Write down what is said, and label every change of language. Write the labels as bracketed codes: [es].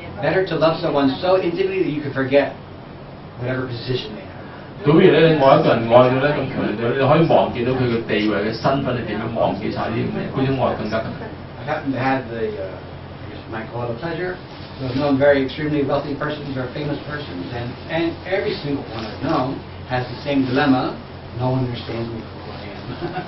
[en] Better to love someone so intimately that you could forget whatever position they have. [yue] 倒不如咧，我一個人愛到咧咁強烈，你可以忘記到佢嘅地位、嘅身份係點樣，忘記曬啲咁嘅嘢，嗰種愛更加強烈。 [en] I happen to have the, I guess you might call it a pleasure, to have known very extremely wealthy persons or famous persons, and every single one I've known has the same dilemma. No one understands me for who I am.